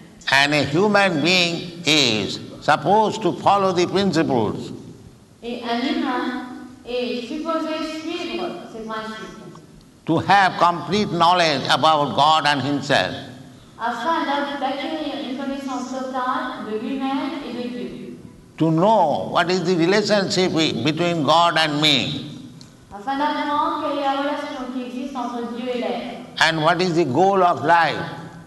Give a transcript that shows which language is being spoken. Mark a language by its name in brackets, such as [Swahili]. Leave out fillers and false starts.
[English] and a human being is supposed to follow the principles. [French] Et un humain est supposé suivre ces principes. [English] To have complete knowledge about God and himself. [French] Afin d'acquérir une connaissance totale de lui-même et de Dieu. [English] To know what is the relationship between God and me. [French] Afin d'apprendre quelle est la relation qui existe entre Dieu et l'être. [English] And what is the goal of life?